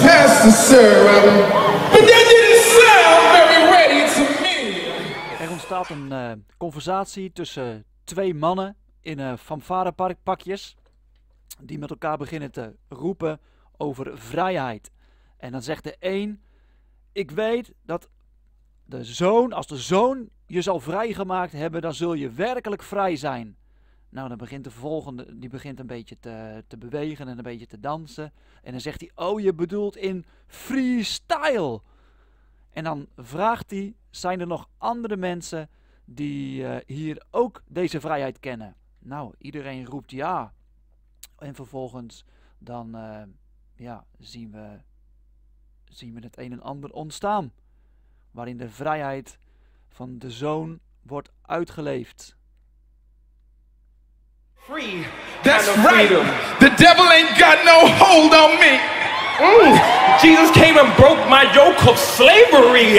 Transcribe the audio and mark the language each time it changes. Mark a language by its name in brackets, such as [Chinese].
[English] Pastor, sir, but that didn't sound very ready to me. [Dutch] Er ontstaat een conversatie tussen twee mannen in fanfarepakjes die met elkaar beginnen te roepen over vrijheid. En dan zegt de een: ik weet dat de zoon, als de zoon je zal vrijgemaakt hebben, dan zul je werkelijk vrij zijn. Nou, dan begint de volgende, die begint een beetje te bewegen en een beetje te dansen. En dan zegt hij: oh, je bedoelt in freestyle. En dan vraagt hij: zijn er nog andere mensen die hier ook deze vrijheid kennen? Nou, iedereen roept ja. En vervolgens dan zien we het een en ander ontstaan. Waarin de vrijheid van de zoon wordt uitgeleefd. [English] Free. That's right. The devil ain't got no hold on me. Jesus came and broke my yoke of slavery.